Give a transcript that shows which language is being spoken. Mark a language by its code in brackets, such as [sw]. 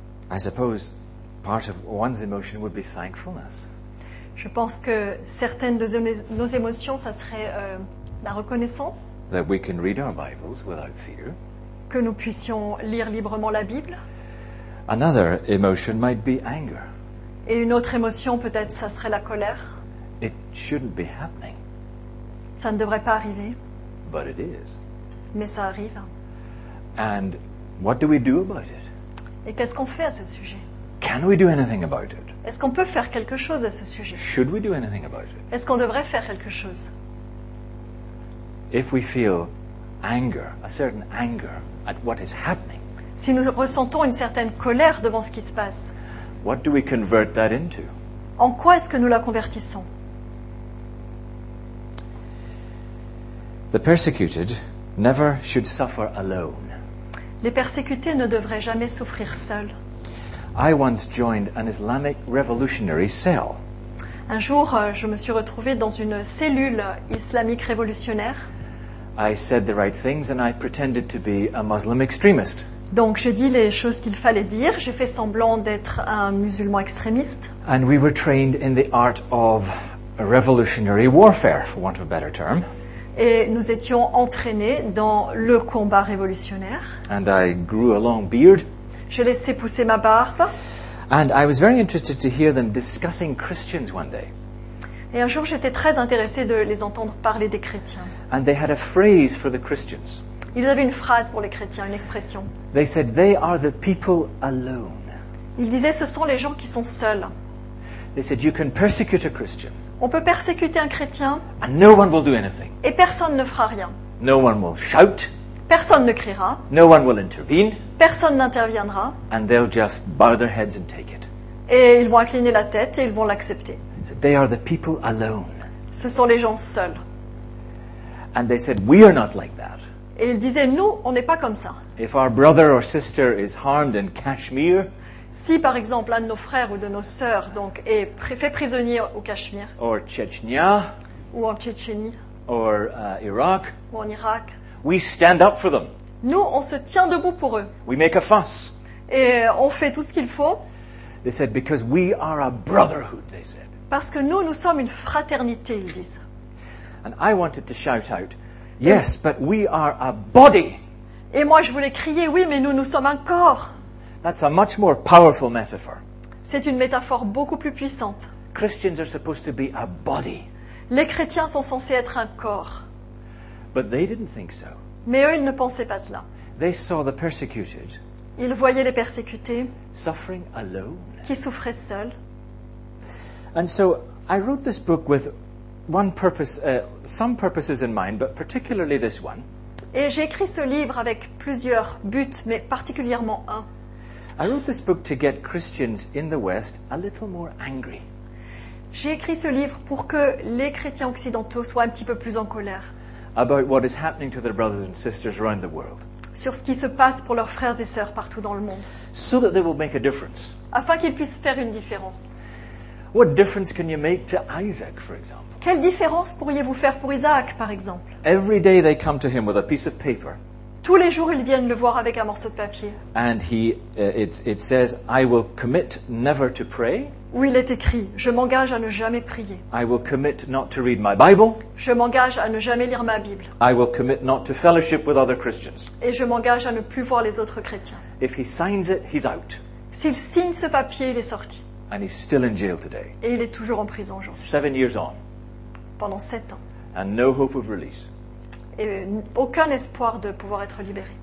[en] I suppose part of one's emotion would be thankfulness. [fr] Je pense que certaines de nos émotions, ça serait la reconnaissance. [en] That we can read our Bibles without fear. [fr] Que nous puissions lire librement la Bible. [en] Another emotion might be anger. [fr] Et une autre émotion, peut-être, ça serait la colère. [en] It shouldn't be happening. [fr] Ça ne devrait pas arriver. [en] But it is. [fr] Mais ça arrive. [en] And what do we do about it? [fr] Et qu'est-ce qu'on fait à ce sujet? [en] Can we do anything about it? [fr] Est-ce qu'on peut faire quelque chose à ce sujet? [en] Should we do anything about it? [fr] Est-ce qu'on devrait faire quelque chose? [en] If we feel anger, a certain anger at what is happening. [fr] Si nous ressentons une certaine colère devant ce qui se passe. [en] What do we convert that into? [fr] En quoi est-ce que nous la convertissons? [en] The persecuted never should suffer alone. [fr] Les persécutés ne devraient jamais souffrir seuls. [en] I once joined an Islamic revolutionary cell. [fr] Un jour, je me suis retrouvé dans une cellule islamique révolutionnaire. [en] I said the right things and I pretended to be a Muslim extremist. [fr] Donc j'ai dit les choses qu'il fallait dire, j'ai fait semblant d'être un musulman extrémiste. [en] And we were trained in the art of revolutionary warfare, for want of a better term. [fr] Et nous étions entraînés dans le combat révolutionnaire. [en] And I grew a long beard. [fr] J'ai laissé pousser ma barbe. [en] And I was very interested to hear them discussing Christians one day. [fr] Et un jour j'étais très intéressée de les entendre parler des chrétiens. [en] And they had a phrase for the Christians. [fr] Ils avaient une phrase pour les chrétiens, une expression. [en] They said, they are the people alone. [fr] Ils disaient, ce sont les gens qui sont seuls. [en] They said, you can persecute a Christian. [fr] On peut persécuter un chrétien. [en] And no one will do anything. [fr] Et personne ne fera rien. [en] No one will shout. [fr] Personne ne criera. [en] No one will intervene. [fr] Personne n'interviendra. [en] And they'll just bow their heads and take it. [fr] Et ils vont incliner la tête et ils vont l'accepter. [en] They said, they are the people alone. [fr] Ce sont les gens seuls. [en] And they said, we are not like that. [fr] Et il disait, nous, on n'est pas comme ça. [en] If our brother or sister is harmed in Kashmir, [fr] si, par exemple, un de nos frères ou de nos sœurs donc, est fait prisonnier au Cachemire, [en] or Tchétchénie, [fr] ou en Tchétchénie, [en] or, Iraq, [fr] ou en Irak, [en] we stand up for them. [fr] Nous, on se tient debout pour eux. [en] We make a fuss. [fr] Et on fait tout ce qu'il faut. [en] They said, because we are a brotherhood, they said. [fr] Parce que nous sommes une fraternité, ils disent. [en] And I wanted to shout out, yes, but we are a body. [fr] Et moi, je voulais crier, oui, mais nous sommes un corps. [en] That's a much more powerful metaphor. [fr] C'est une métaphore beaucoup plus puissante. [en] Christians are supposed to be a body. [fr] Les chrétiens sont censés être un corps. [en] But they didn't think so. [fr] Mais eux, ils ne pensaient pas cela. [en] They saw the persecuted. [fr] Ils voyaient les persécutés. [en] Suffering alone. [fr] Qui souffraient seuls. [en] And so, I wrote this book with one purpose, some purposes in mind, but particularly this one. [fr] Et j'ai écrit ce livre avec plusieurs buts, mais particulièrement un. [en] I wrote this book to get Christians in the West a little more angry. [fr] J'ai écrit ce livre pour que les chrétiens occidentaux soient un petit peu plus en colère. [en] about what is happening to their brothers and sisters around the world. [fr] Sur ce qui se passe pour leurs frères et sœurs partout dans le monde. [en] So that they will make a difference. [fr] Afin qu'ils puissent faire une différence. [en] What difference can you make to Isaac, for example? [fr] Quelle différence pourriez-vous faire pour Isaac, par exemple? [en] Every day they come to him with a piece of paper. [fr] Tous les jours, ils viennent le voir avec un morceau de papier. [en] And he, it says, I will commit never to pray. [fr] Où il est écrit, je m'engage à ne jamais prier. [en] I will commit not to read my Bible. [fr] Je m'engage à ne jamais lire ma Bible. [en] I will commit not to fellowship with other Christians. [fr] Et je m'engage à ne plus voir les autres chrétiens. [en] If he signs it, he's out. [fr] S'il signe ce papier, il est sorti. [en] And he's still in jail today. [fr] Et il est toujours en prison aujourd'hui. [en] 7 years on. [fr] Pendant 7 ans. [en] And no hope of release. [fr] Et aucun espoir de pouvoir être libéré.